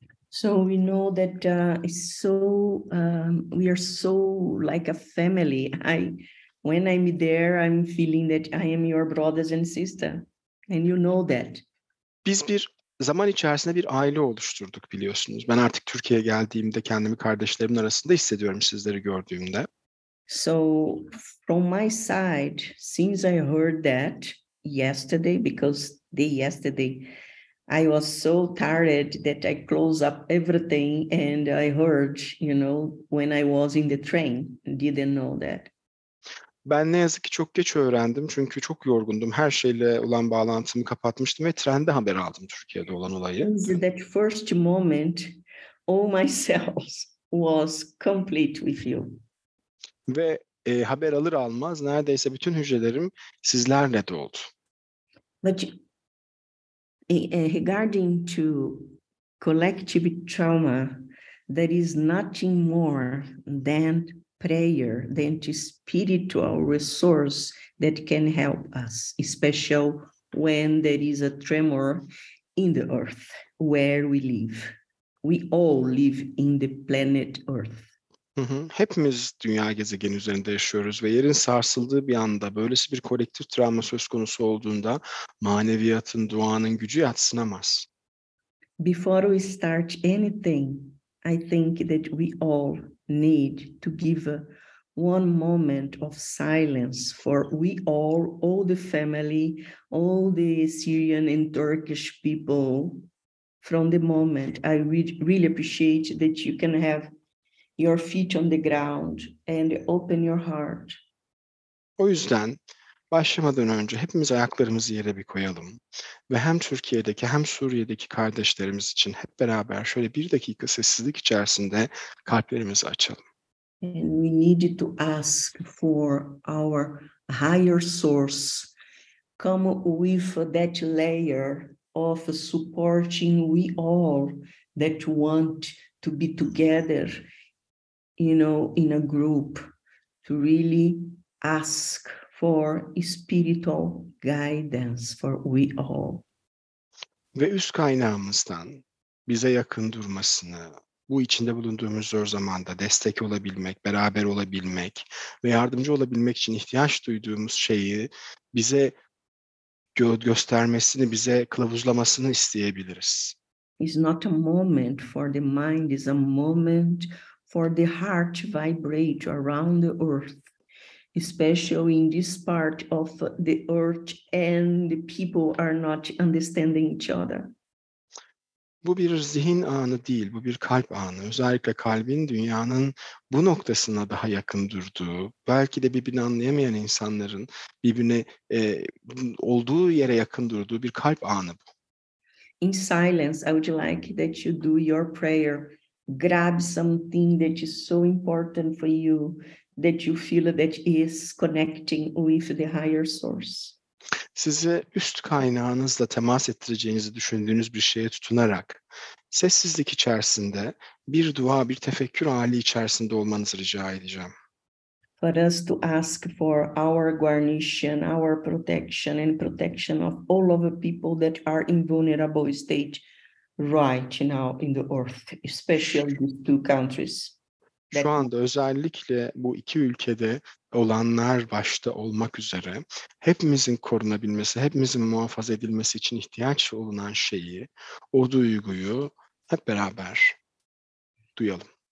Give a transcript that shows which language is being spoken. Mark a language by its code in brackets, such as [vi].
[en] So we know that it's so we are so like a family. When I'm there, I'm feeling that I am your brothers and sister, and you know that. [tr] Biz bir zaman içerisinde bir aile oluşturduk biliyorsunuz. Ben artık Türkiye'ye geldiğimde kendimi kardeşlerimin arasında hissediyorum sizleri gördüğümde. [en] So from my side, since I heard that yesterday, because day yesterday, I was so tired that I closed up everything and I heard, you know, when I was in the train, didn't know that. [tr] Ben ne yazık ki çok geç öğrendim çünkü çok yorgundum. Her şeyle olan bağlantımı kapatmıştım ve trende haber aldım Türkiye'de olan olayı. [en] In that first moment, all myself was complete with you. [tr] Ve haber alır almaz neredeyse bütün hücrelerim sizlerle doldu. [en] But regarding to collective trauma, there is nothing more than prayer, than the spiritual resource that can help us, especially when there is a tremor in the earth where we live. We all live in the planet Earth. [tr] Hepimiz dünya gezegeni üzerinde yaşıyoruz ve yerin sarsıldığı bir anda böylesi bir kolektif travma söz konusu olduğunda maneviyatın, duanın gücü yadsınamaz. [en] Before we start anything, I think that we all need to give one moment of silence for we all the family, all the Syrian and Turkish people from the moment. I really appreciate that you can have your feet on the ground and open your heart. [tr] O yüzden başlamadan önce hepimiz ayaklarımızı yere bir koyalım ve hem Türkiye'deki hem Suriye'deki kardeşlerimiz için hep beraber şöyle bir dakika sessizlik içerisinde kalplerimizi açalım. [en] And we need to ask for our higher source come with that layer of supporting we all that want to be together, you know, in a group, to really ask for spiritual guidance for we all. [tr] Ve üst kaynağımızdan bize yakın durmasını, bu içinde bulunduğumuz zor zamanda destek olabilmek, beraber olabilmek ve yardımcı olabilmek için ihtiyaç duyduğumuz şeyi bize göstermesini, bize kılavuzlamasını isteyebiliriz. [en] It's not a moment for the mind, it's a moment for the heart to vibrate around the earth, especially in this part of the earth and the people are not understanding each other. [tr] Bu bir zihin anı değil, bu bir kalp anı. Özellikle kalbin dünyanın bu noktasına daha yakın durduğu, belki de birbirini anlayamayan insanların birbirine olduğu yere yakın durduğu bir kalp anı bu. [en] In silence, I would like that you do your prayer. Grab something that is so important for you, that you feel that is connecting with the higher source. [tr] Size üst kaynağınızla temas ettireceğinizi düşündüğünüz bir şeye tutunarak sessizlik içerisinde bir dua, bir tefekkür hali içerisinde olmanızı rica edeceğim. [en] For us to ask for our guarnition, our protection and protection of all of the people that are in vulnerable state right now in the earth, especially these two countries. [tr] Şu anda özellikle bu iki ülkede olanlar başta olmak üzere hepimizin korunabilmesi, hepimizin muhafaza edilmesi için ihtiyaç olunan şeyi, o duyguyu hep beraber duyalım.